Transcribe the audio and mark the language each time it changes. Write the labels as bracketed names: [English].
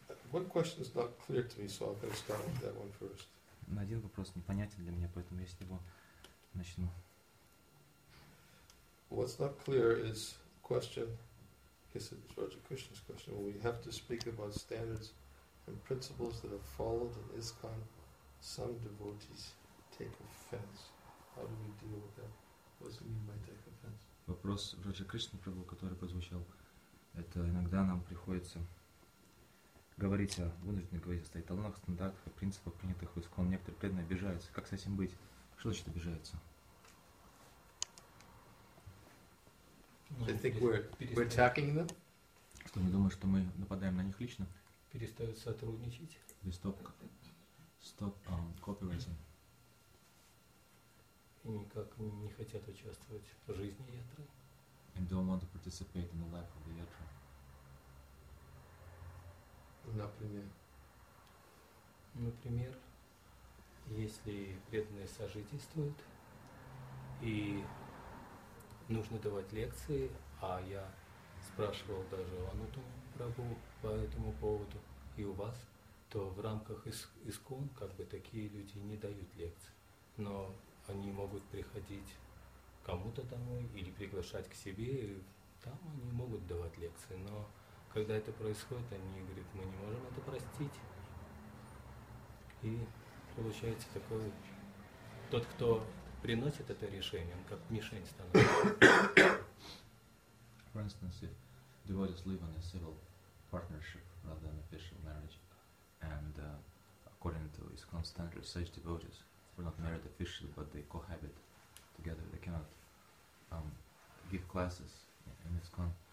[English] One question is not clear to me, so I'm going to start with that one first. [Russian] Один вопрос непонятен для меня, поэтому я с него начну. [English] What's not clear is question, I guess it's Raja Krishna's question, where we have to speak about standards and principles that are followed in ISKCON. Some devotees take offense. How do we deal with that? What does it mean by take offense? [Russian] Вопрос Раджа Кришны Прабху, который прозвучал, это иногда нам приходится говорить о вынужденных говорить о эталонах, стандартах, о принципах, принятых в ИСККОН. Некоторые преданные обижаются. Как с этим быть? Что значит обижаются? [English] They think we're attacking them? [Russian] Что мы думаем, что мы нападаем на них лично? Перестают сотрудничать? [English] They stop cooperating. [Russian] И никак не хотят участвовать в жизни ятры. [English] And don't want to participate in the life of the ятры. [Russian] Например, если преданные сожительствуют и нужно давать лекции, а я спрашивал даже Анутум Прабху по этому поводу и у вас, то в рамках ИСККОН как бы такие люди не дают лекции, но они могут приходить кому-то домой или приглашать к себе, и там они могут давать лекции, но когда это происходит, они говорят, мы не можем это простить. И получается такой, тот, кто приносит это решение, он как мишень становится. [English] For instance, if devotees live in a civil partnership rather than official marriage, and according to ISKCON standards, such devotees were not married officially, but they cohabit together, they cannot give classes in ISKCON.